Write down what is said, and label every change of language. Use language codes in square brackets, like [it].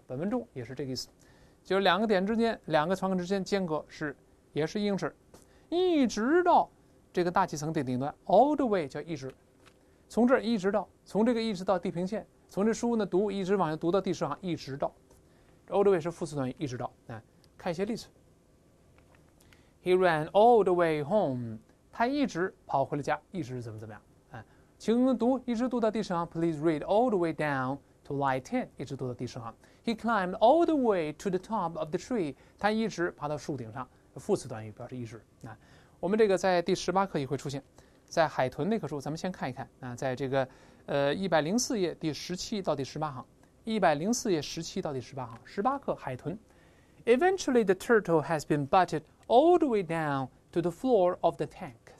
[zh] 本文中也是这个意思，就是两个点之间，两个船之间间隔是也是英尺，一直到这个大气层的顶端 ， [en] all the way [zh] 叫一直，从这一直到从这个一直到地平线，从这书呢读一直往下读到第10行，一直到 all the way 是副词短语，一直到啊。看一些例子。 [en] He ran all the way home. [zh] 他一直跑回了家，一直怎么怎么样？请读，一直读到第10行。 [en] Please read all the way down to line 10. [zh] 一直读到第10行。 [en] He climbed all the way to the top of the tree. [zh] 他一直爬到树顶上。副词短语表示一直。我们这个在第18课也会出现，在海豚那棵树，咱们先看一看。在这个104页第17到第18行，104页17到第18行，18课海豚。 [en] Eventually, the turtle has been butted all the way down to the floor of the tank.